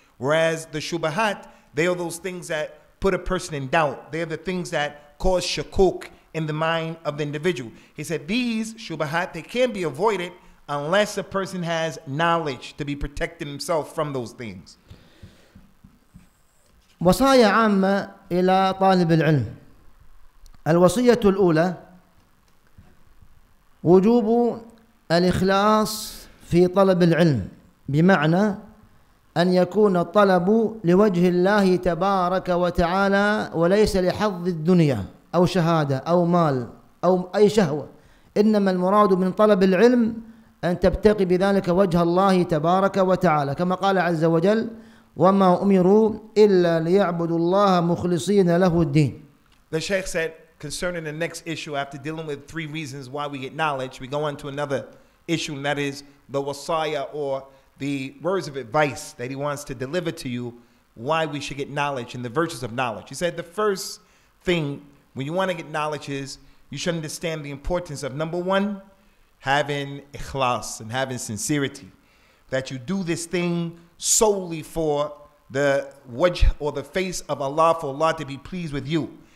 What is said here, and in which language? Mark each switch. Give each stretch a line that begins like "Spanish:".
English: Whereas the shubahat, they are those things that put a person in doubt. They are the things that cause shakuk in the mind of the individual. He said these shubahat, they can be avoided unless a person has knowledge to be protecting himself from those things.
Arabic: وصايا عامة إلى طالب العلم. الوصية الأولى وجوب الإخلاص في طلب العلم، بمعنى أن يكون الطلب لوجه الله تبارك وتعالى وليس لحظ الدنيا أو شهادة أو مال أو أي شهوة، إنما المراد من طلب العلم أن تبتغي بذلك وجه الله تبارك وتعالى، كما قال عز وجل وما أمروا إلا ليعبدوا الله مخلصين له الدين.
English: The Sheikh said concerning the next issue, after dealing with three reasons why we get knowledge, we go on to another issue, and that is the wasaya or the words of advice that he wants to deliver to you, why we should get knowledge and the virtues of knowledge. He said the first thing when you want to get knowledge is you should understand the importance of, number one, having ikhlas and having sincerity, that you do this thing solely for the wajh or the face of Allah, for Allah to be pleased with you.